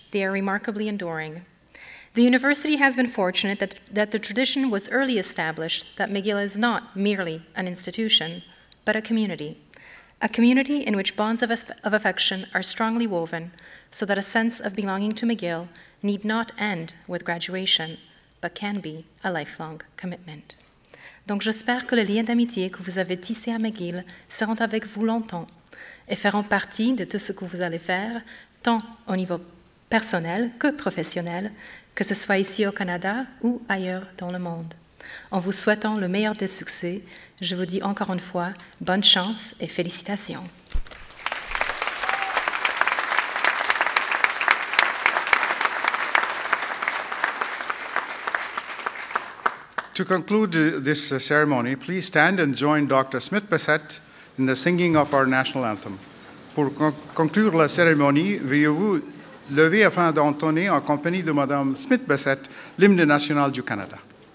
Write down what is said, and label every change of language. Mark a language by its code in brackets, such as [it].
[en] They are remarkably enduring. The university has been fortunate that the tradition was early established that McGill is not merely an institution, but a community in which bonds of affection are strongly woven so that a sense of belonging to McGill need not end with graduation, but can be a lifelong commitment. [fr] Donc j'espère que les liens d'amitié que vous avez tissés à McGill seront avec vous longtemps et feront partie de tout ce que vous allez faire, tant au niveau personnel que professionnel, que ce soit ici au Canada ou ailleurs dans le monde. En vous souhaitant le meilleur des succès, je vous dis encore une fois bonne chance et félicitations. [en] To conclude this ceremony, please stand and join Dr. Smith-Bessette in the singing of our national anthem. [fr] Pour conclure la cérémonie, veuillez-vous lever afin d'entonner en compagnie de Madame Smith-Bessette l'hymne national du Canada.